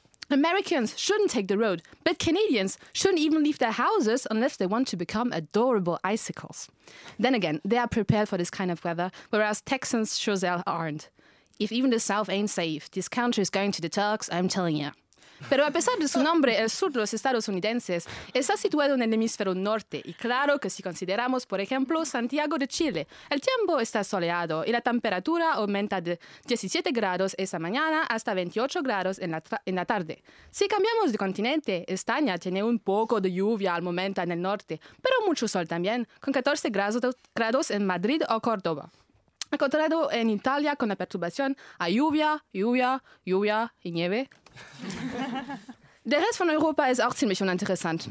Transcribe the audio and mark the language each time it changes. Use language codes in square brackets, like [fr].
[en] Americans shouldn't take the road, but Canadians shouldn't even leave their houses unless they want to become adorable icicles. Then again, they are prepared for this kind of weather, whereas Texans sure aren't. If even the South ain't safe, this country is going to the Turks, I'm telling you. [es] Pero a pesar de su nombre, el sur de los Estados Unidos está situado en el hemisferio norte. Y claro que si consideramos, por ejemplo, Santiago de Chile, el tiempo está soleado y la temperatura aumenta de 17 grados esa mañana hasta 28 grados en la tarde. Si cambiamos de continente, España tiene un poco de lluvia al momento en el norte, pero mucho sol también, con 14 grados en Madrid o Córdoba. Encontrado en Italia con la perturbación, hay lluvia y nieve. [de] Der Rest von Europa ist auch ziemlich uninteressant.